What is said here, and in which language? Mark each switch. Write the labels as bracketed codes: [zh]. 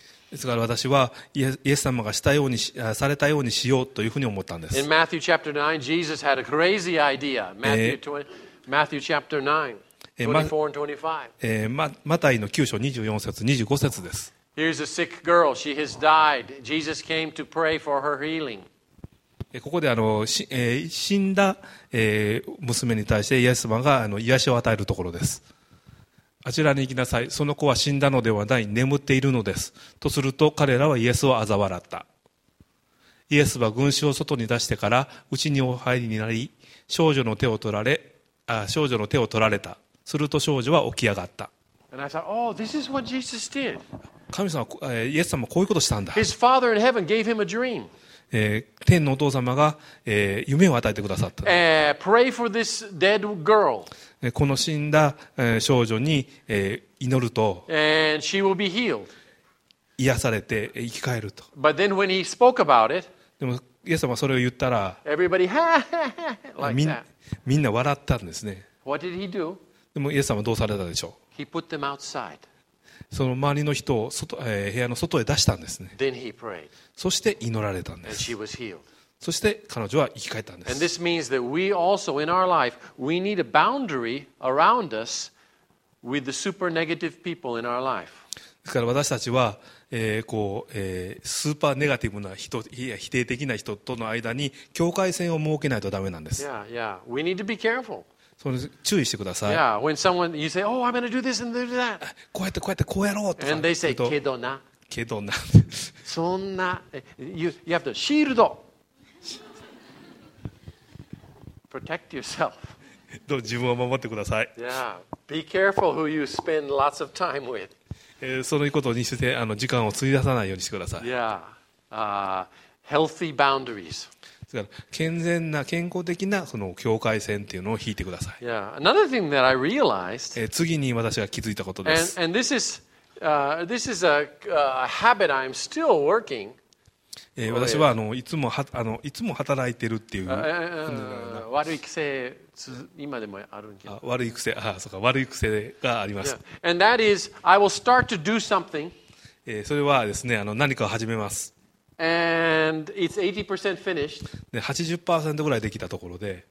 [ja] ですから私はイエス様がしたようにされたようにしようというふうに思ったんです。 [en] In Matthew chapter 9, Jesus had a crazy idea. Matthew chapter 9, 24 and 25. [ja] マタイの9章24節25節です。 [en] Here's a sick girl. She has died. Jesus came to pray for her healing. [ja] ここで死んだ娘に対してイエス様が癒しを与えるところです。あちらに行きなさい。その子は死んだのではない。眠っているのです。とすると彼らはイエスを嘲笑った。イエスは群衆を外に出してから内にお入りになり、少女の手を取られ、少女の手を取られた。すると少女は起き上がった。 [en] And I thought, oh, this is what Jesus did. [ja] 神様、イエス様はこういうことをしたんだ。 [en] His father in heaven gave him a dream. [ja] 天のお父様が、夢を与えてくださった。 [en] Pray for this dead girl. [ja] この死んだ、少女に、祈ると [en] And she will be healed. [ja] 癒されて生き返ると。 [en] But then when he spoke about it, [ja] でもイエス様はそれを言ったら [en] Everybody, ha, ha, ha, like that. [ja] みんな笑ったんですね。 [en] What did he do? [ja] でもイエス様はどうされたでしょう。 [en] He put them outside. [ja] その周りの人を部屋の外へ出したんですね。 [en] Then he prayed. [ja] そして祈られたんです。 [en] And she was healed. [ja] そして彼女は生き返ったんです。 [en] And this means that we also in our life, we need a boundary around us with the super negative people in our life. [ja] ですから私たちは、スーパーネガティブな人、いや否定的な人との間に境界線を設けないとダメなんです。 [en] Yeah, yeah. We need to be careful. [ja] 注意してください。 [en] Yeah, when someone you say, "Oh, I'm going to do this and do that." [ja] こうやってこうやってこうやろうとか。 [en] And they say, [ja] "けどな。けどな。そんな、 [en] you have to shield. Protect yourself. [ja] どう自分を守ってください。 [en] Yeah, be careful who you spend lots of time with. [ja] そのことにして時間を費やさないようにしてください。 [en] Yeah, healthy boundaries. [ja] 健全な健康的なその境界線っていうのを引いてください。 [en] Yeah. Another thing that I realized, [ja] 次に私が気づいたことです。 [en] And this is, this is a, habit I'm still working. [ja] 私はいつもいつも働いてるっていう。悪い癖今でもあるんけど。悪い癖そうか悪い癖があります。 [en] Yeah. And that is I will start to do something. [ja] それはですね何かを始めます。 [en] And it's 80% finished. [ja] 80% ぐらいできたところで、